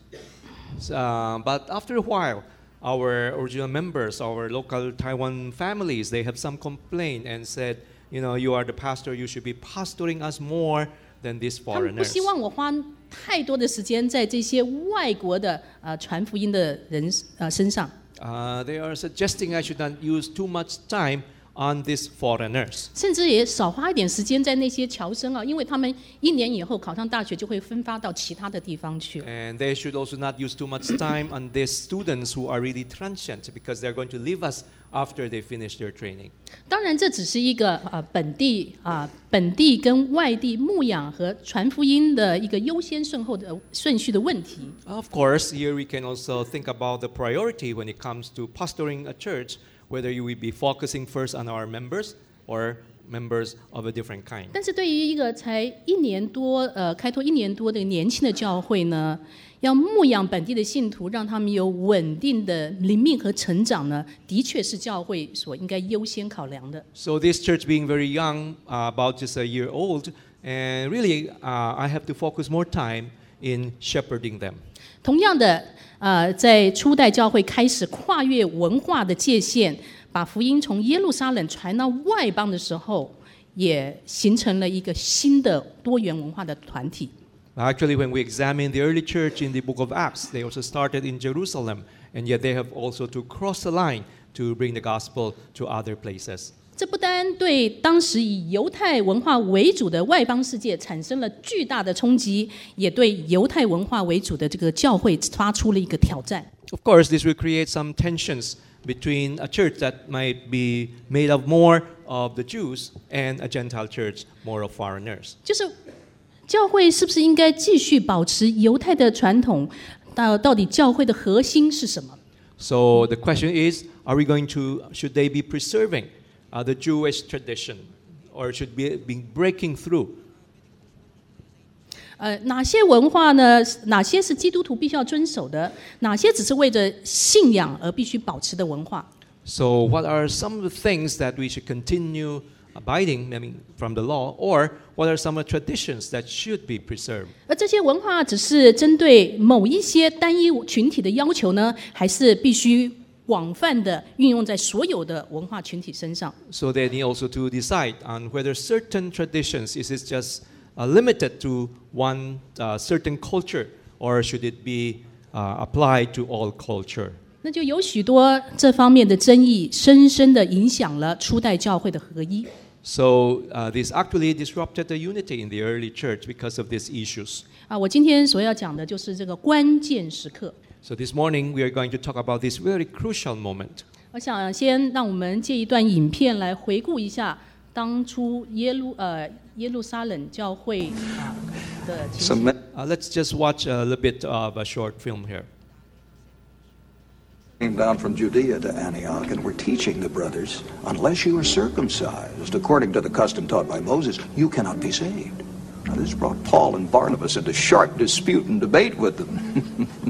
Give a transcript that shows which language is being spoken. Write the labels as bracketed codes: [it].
[en] But after a while, our original members, our local Taiwan families, they have some complaint and said, you know, you are the pastor, you should be pastoring us more. Than these foreigners. [zh] 他们不希望我花太多的时间在这些外国的传福音的人身上。 [en] They are suggesting I should not use too much time on these foreigners. [zh] 甚至也少花一点时间在那些侨生啊，因为他们一年以后考上大学就会分发到其他的地方去。 [en] And they should also not use too much time on these students who are really transient because they are going to leave us after they finish their training. [zh] 当然，这只是一个本地跟外地牧养和传福音的一个优先顺序的问题。 [en] Of course, here we can also think about the priority when it comes to pastoring a church. whether you will be focusing first on our members or members of a different kind. [zh] 但是对于一个才一年多，开拓一年多的年轻的教会呢，要牧养本地的信徒，让他们有稳定的灵命和成长呢，的确是教会所应该优先考量的。 [en] So this church being very young, about just a year old, and really, I have to focus more time in shepherding them. [zh] 同样的，在初代教会开始跨越文化的界限。把福音从耶路撒冷传到外邦的时候，也形成了一个新的多元文化的团体。 [en] Actually, when we examine the early church in the book of Acts, they also started in Jerusalem, and yet they have also to cross the line to bring the gospel to other places. [zh] 这不单对当时以犹太文化为主的外邦世界产生了巨大的冲击，也对犹太文化为主的这个教会发出了一个挑战。 [en] Of course, this will create some tensions. Between a church that might be made of more of the Jews and a Gentile church more of foreigners. [zh] 就是教会是不是应该继续保持犹太的传统？到底教会的核心是什么？ [en] So the question is, are we going to, should they be preserving the Jewish tradition or should we be breaking through? [zh] 哪些文化呢？哪些是基督徒必须要遵守的？哪些只是为着信仰而必须保持的文化 [en] ？So what are some of the things that we should continue abiding, I mean, from the law, or what are some of the traditions that should be preserved? [zh] 而这些文化只是针对某一些单一群体的要求呢，还是必须广泛的运用在所有的文化群体身上 [en] ？So they need also to decide on whether certain traditions is it just. Limited to one certain culture, or should it be applied to all culture? [zh] 那就有许多这方面的争议，深深的影响了初代教会的合一。 [en] So this actually disrupted the unity in the early church because of these issues. [zh] 我今天所要讲的就是这个关键时刻。 [en] So this morning we are going to talk about this very crucial moment. [zh] 我想先让我们借一段影片来回顾一下。当初耶路撒冷教会的情形。 [en] Let's just watch a little bit of a short film here. Came down from Judea to Antioch and were teaching the brothers, unless you are circumcised, according to the custom taught by Moses, you cannot be saved. Now this brought Paul and Barnabas into sharp dispute and debate with them.